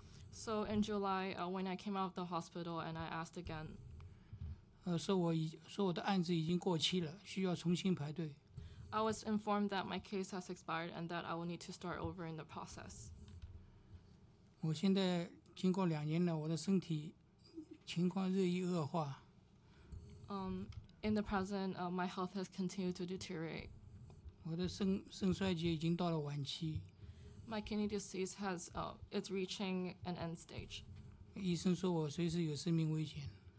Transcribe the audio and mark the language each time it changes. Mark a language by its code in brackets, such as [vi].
[en] So in July, when I came out of the hospital and I asked again. [zh] 说我的案子已经过期了，需要重新排队。 [en] I was informed that my case has expired and that I will need to start over in the process. [zh] 我现在经过2年了，我的身体情况日益恶化。 [en] In the present, my health has continued to deteriorate. [zh] 我的肾衰竭已经到了晚期。 [en] My kidney disease has it's reaching an end stage. [zh] 医生说我随时有生命危险。